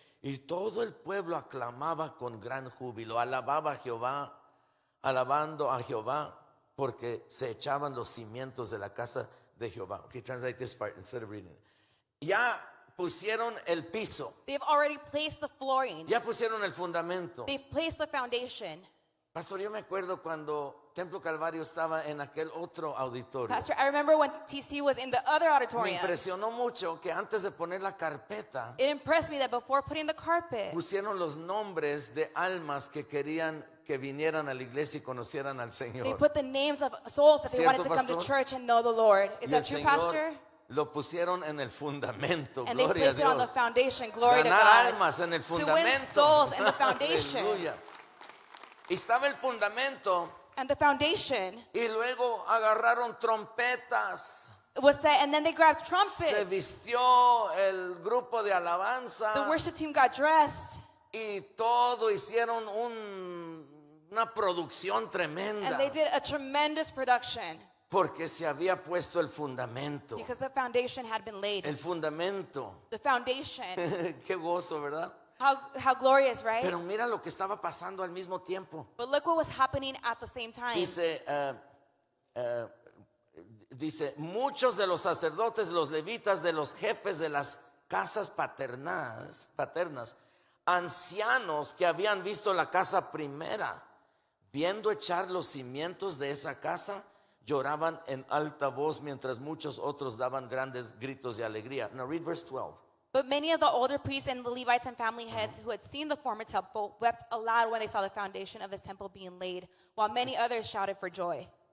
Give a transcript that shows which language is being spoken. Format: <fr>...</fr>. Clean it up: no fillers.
<es>Y todo el pueblo aclamaba con gran júbilo, alababa a Jehová, alabando a Jehová, porque se echaban los cimientos de la casa de Jehová.</es> <en>Okay, translate this part instead of reading.</en> <es>Ya pusieron el piso.</es> <en>They've already placed the flooring.</en> <es>Ya pusieron el fundamento.</es> <en>They've placed the foundation.</en> <es>Pastor, yo me acuerdo cuando Templo Calvario estaba en aquel otro auditorio.</es> <en>Pastor, I remember when TC was in the other auditorium.</en> <es>Me impresionó mucho que antes de poner la carpeta,</es> <en>it impressed me that before putting the carpet,</en> <es>pusieron los nombres de almas que querían que vinieran a la iglesia y conocieran al Señor.</es> <en>They put the names of souls that they wanted to come to church and know the Lord. Is that true, Pastor?</en> <es>Lo pusieron en el fundamento,</es> <en>and</en> <es>gloria</es> <en>they placed</en> <es>a Dios.</es> <en>On the glory to God.</en> <es>Almas en el fundamento.</es> <en>To win souls in the foundation.</en> <es>Aleluya. Y estaba el fundamento.</es> <en>And the foundation.</en> <es>Y luego agarraron trompetas.</es> <en>Was set, and then they grabbed trumpets.</en> <es>Se vistió el grupo de alabanza.</es> <en>The worship team got dressed.</en> <es>Y todo hicieron una producción tremenda.</es> <en>And they did a tremendous production.</en> <es>Porque se había puesto el fundamento.</es> <en>Because the foundation had been laid.</en> <es>El fundamento.</es> <en>The foundation.</en> <es>Qué gozo, ¿verdad?</es> <en>How glorious, right?</en> <es>Pero mira lo que estaba pasando al mismo tiempo.</es> <en>But look what was happening at the same time.</en> <es>Dice, muchos de los sacerdotes, los levitas, de los jefes de las casas paternas, ancianos que habían visto la casa primera, viendo echar los cimientos de esa casa, lloraban en alta voz mientras muchos otros daban grandes gritos de alegría.</es> <en>Now read verse 12. But many of the older priests and the Levites and family heads who had seen the former temple wept aloud when they saw the foundation of the temple being laid, while many others shouted for joy.</en>